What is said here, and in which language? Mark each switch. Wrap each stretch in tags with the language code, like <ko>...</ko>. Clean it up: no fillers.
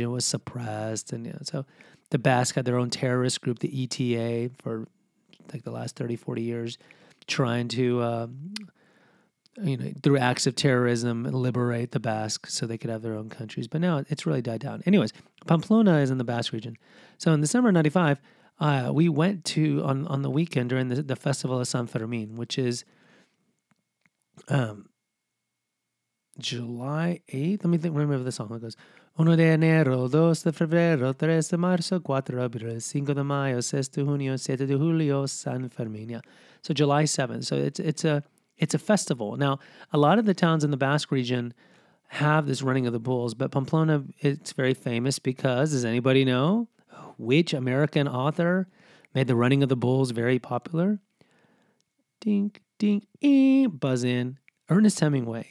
<en>It was suppressed. And you know, so the Basque had their own terrorist group, the ETA, for like the last 30, 40 years, trying to, you know, through acts of terrorism, liberate the Basque so they could have their own countries. But now it's really died down. Anyways, Pamplona is in the Basque region. So in the summer of 95, We went to, on the weekend during the Festival of San Fermin, which is July 8th. Let me remember the song. It goes,</en> <es>Uno de enero, dos de febrero, tres de marzo, cuatro de abril, cinco de mayo, seis de junio, siete de julio, San Fermin.</es> <en>Yeah. So July 7th. So it's a festival. Now, a lot of the towns in the Basque region have this running of the bulls, but Pamplona, it's very famous because, does anybody know which American author made the running of the bulls very popular? Ding, ding, buzz in. Ernest Hemingway.</en>